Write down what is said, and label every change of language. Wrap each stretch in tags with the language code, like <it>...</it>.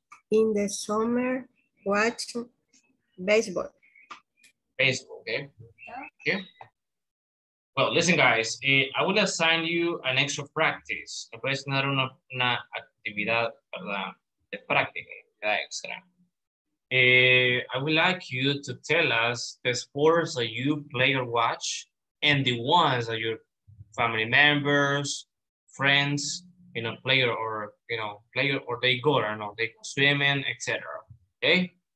<en>In the summer, watch baseball. Baseball, okay. Yeah. Well, listen, guys, I would assign you an extra practice.</en> <es>Me puede asignar una actividad, ¿verdad? De práctica, extra.</es> <en>I would like you to tell us the sports that you play or watch and the ones that your family members, friends, you know, player or they go, I don't know, they go swimming, etc. Okay?</en>